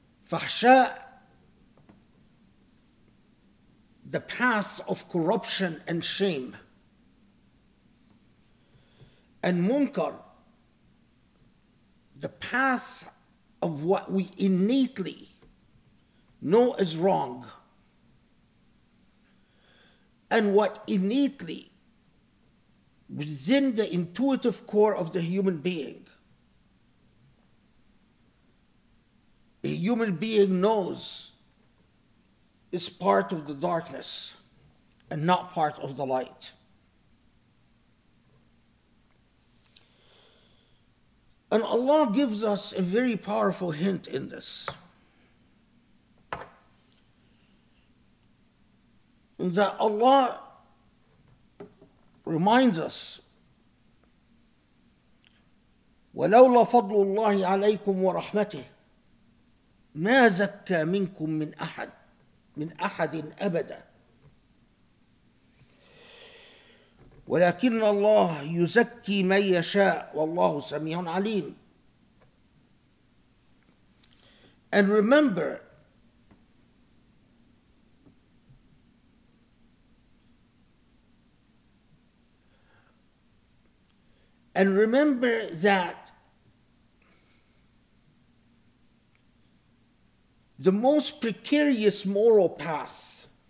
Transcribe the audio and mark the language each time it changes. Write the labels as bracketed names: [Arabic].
[English] Fahsha, the path of corruption and shame, and munkar, the path of what we innately know is wrong, and what innately within the intuitive core of the human being, a human being knows is part of the darkness and not part of the light. And Allah gives us a very powerful hint in this, that Allah reminds us, [Arabic] وَلَوْلَا فَضْلُ اللَّهِ عَلَيْكُمْ وَرَحْمَتِهِ مَا زَكَّى مِنْكُمْ مِنْ أَحَدٍ من أحد أبدا ولكن الله يزكي من يشاء والله سميع عليم. [English] And remember, and remember that the most precarious moral path